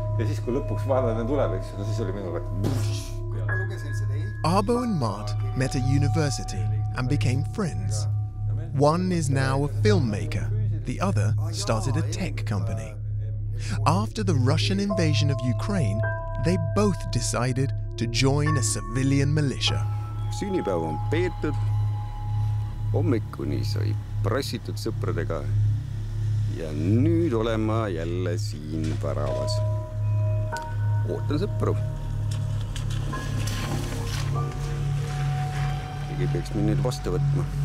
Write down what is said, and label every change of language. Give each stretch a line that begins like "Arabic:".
Estonian: Ja siis, kui lõpuks vaadane tuleb, siis oli minu
English: Arbo and Mart met at university and became friends. One is now a filmmaker, the other started a tech company. After the Russian invasion of Ukraine, they both decided to join a civilian militia.
Estonian: Sünnipäev on peetud. Hommikuni sai pressitud sõpradega. Ja nüüd olen ma jälle siin varavas. Ootan sõpru. Keegi peaks minu nüüd vastu võtma.